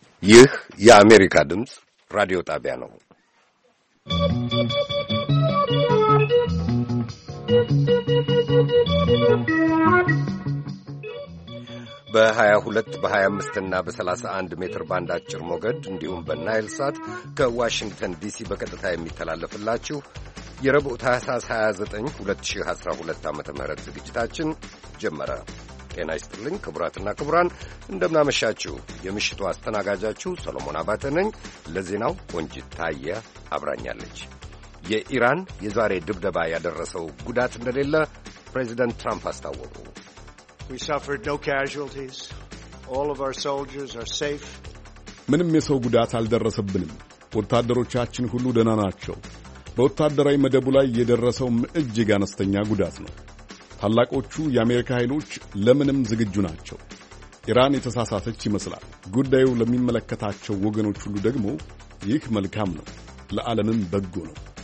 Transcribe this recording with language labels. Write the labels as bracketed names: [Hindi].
[Amharic] ይህ የአሜሪካ ድምፅ ራዲዮ ጣቢያ ነው። በ22 በ25ና በ31 ሜትር ባንድ አጭር ሞገድ እንዲሁም በናይል ሳት ከዋሽንግተን ዲሲ በቀጥታ የሚተላለፍላችሁ የረቡዕ ታህሳስ 29 2012 ዓ ም ዝግጅታችን ጀመረ። ጤና ይስጥልኝ ክቡራትና ክቡራን፣ እንደምናመሻችሁ። የምሽቱ አስተናጋጃችሁ ሰሎሞን አባተ ነኝ። ለዜናው ቆንጅት ታየ አብራኛለች። የኢራን የዛሬ ድብደባ ያደረሰው ጉዳት እንደሌለ ፕሬዚደንት ትራምፕ አስታወቁ። [English] We suffered no casualties. All of our soldiers are safe. [Amharic] ምንም የሰው ጉዳት አልደረሰብንም። ወታደሮቻችን ሁሉ ደህና ናቸው። በወታደራዊ መደቡ ላይ የደረሰው እጅግ አነስተኛ ጉዳት ነው። ታላቆቹ የአሜሪካ ኃይሎች ለምንም ዝግጁ ናቸው። ኢራን የተሳሳተች ይመስላል። ጉዳዩ ለሚመለከታቸው ወገኖች ሁሉ ደግሞ ይህ መልካም ነው፣ ለዓለምም በጎ ነው።